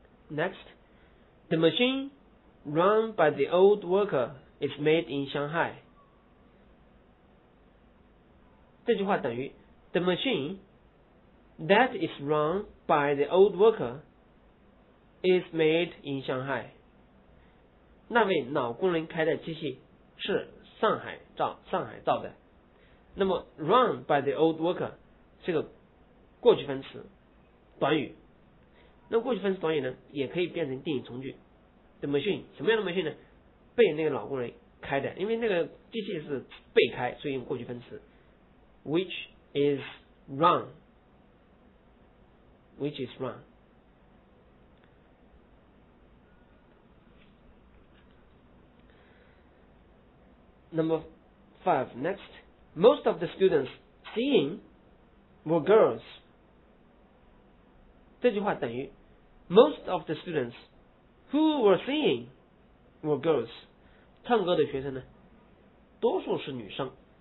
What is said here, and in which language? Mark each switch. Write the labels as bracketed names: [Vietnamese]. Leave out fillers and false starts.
[English] Next, the machine run by the old worker is made in Shanghai. [Chinese] 这句话等于 [English] The machine that is run by the old worker is made in Shanghai. [Chinese] 那位老工人开的机器是上海造的。那么 [English] run by the old worker [Chinese] 是个过去分词短语，那过去分词短语呢也可以变成定语从句。 [English] The machine [Chinese] 什么样的 machine 呢？被那个老工人开的，因为那个机器是被开，所以用过去分词 [English] which is run。 Number 5 next, Most of the students seeing were girls. [Chinese] 这句话等于 [English] Most of the students who were seeing were girls. [Chinese] 唱歌的学生呢多数是女生。